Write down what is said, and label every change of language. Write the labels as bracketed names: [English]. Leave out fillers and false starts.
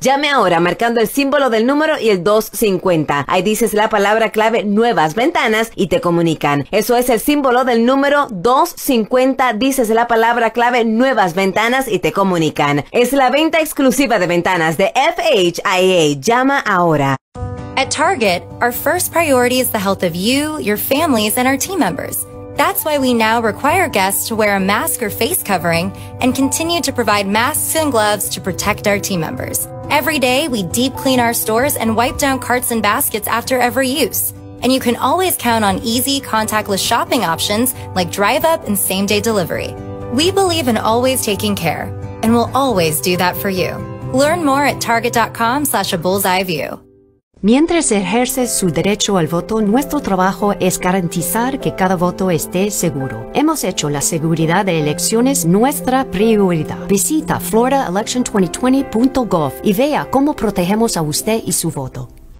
[Spanish] Llame ahora marcando el símbolo del número y el 250. Ahí dices la palabra clave nuevas ventanas y te comunican. Eso es el símbolo del número 250. Dices la palabra clave nuevas ventanas y te comunican. Es la venta exclusiva de ventanas de FHIA. Llama ahora. [English] At Target, our first priority is the health of you, your families, and our team members. That's why we now require guests to wear a mask or face covering and continue to provide masks and gloves to protect our team members. Every day, we deep clean our stores and wipe down carts and baskets after every use. And you can always count on easy, contactless shopping options like drive-up and same-day delivery. We believe in always taking care, and we'll always do that for you. Learn more at target.com/abullseyeview. [Spanish] Mientras ejerce su derecho al voto, nuestro trabajo es garantizar que cada voto esté seguro. Hemos hecho la seguridad de elecciones nuestra prioridad. Visita floridaelection2020.gov y vea cómo protegemos a usted y su voto.